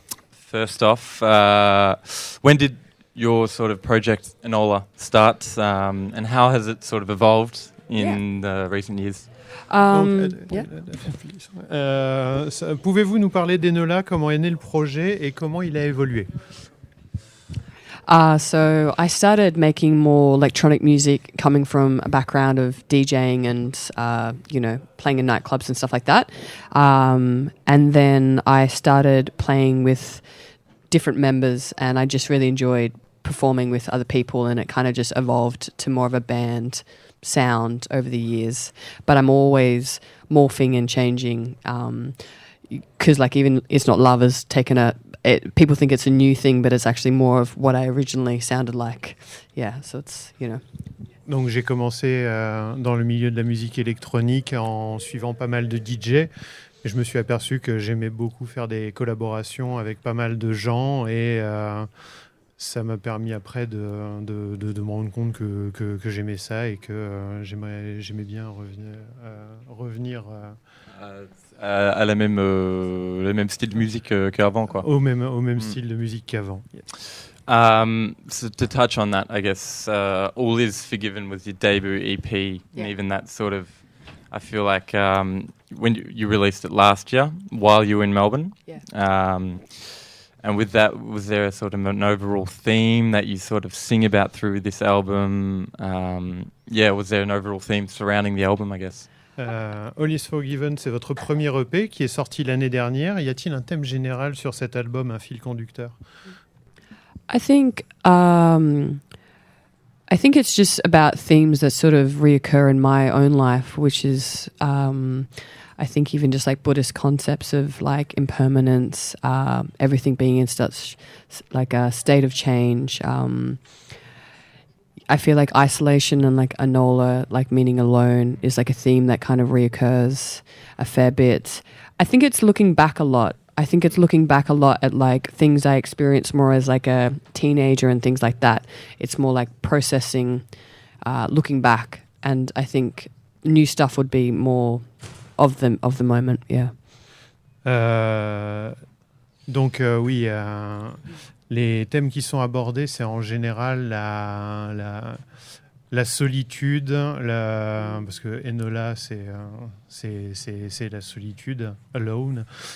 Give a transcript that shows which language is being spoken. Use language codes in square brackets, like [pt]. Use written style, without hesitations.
[en] First off, when did your sort of project Enola start and how has it sort of evolved in the recent years? [fr] Pouvez-vous nous parler d'Enola, comment est né le projet et comment il a évolué? [en] So I started making more electronic music coming from a background of DJing and playing in nightclubs and stuff like that. And then I started playing with different members and I just really enjoyed performing with other people and it kind of just evolved to more of a band sound over the years, but I'm always morphing and changing because like even It's Not Love has taken a it, people think it's a new thing, but it's actually more of what I originally sounded like. Yeah, so it's, you know. [fr] Donc j'ai commencé dans le milieu de la musique électronique en suivant pas mal de DJ. Je me suis aperçu que j'aimais beaucoup faire des collaborations avec pas mal de gens et ça m'a permis après de me rendre compte que j'aimais ça et que j'aimais bien revenir à la même le même style de musique qu'avant quoi. Au même style de musique qu'avant. [en] Yeah. So to touch on that, I guess All Is Forgiven was your debut EP, yeah. And even that sort of, I feel like when you released it last year while you were in Melbourne. Yeah. And with that, was there a sort of an overall theme that you sort of sing about through this album? Was there an overall theme surrounding the album, I guess? [fr] All Is Forgiven, c'est votre premier EP qui est sorti l'année dernière. Y a-t-il un thème général sur cet album, un fil conducteur? [en] I think it's just about themes that sort of reoccur in my own life, which is, I think, even just like Buddhist concepts of like impermanence, everything being in such like a state of change. I feel like isolation and like anola, like meaning alone, is like a theme that kind of reoccurs a fair bit. I think it's looking back a lot at like things I experienced more as like a teenager and things like that. It's more like processing, looking back, and I think new stuff would be more of the moment. Yeah. [fr] Les thèmes qui sont abordés, c'est en général la solitude, parce que Enola, c'est la solitude, alone.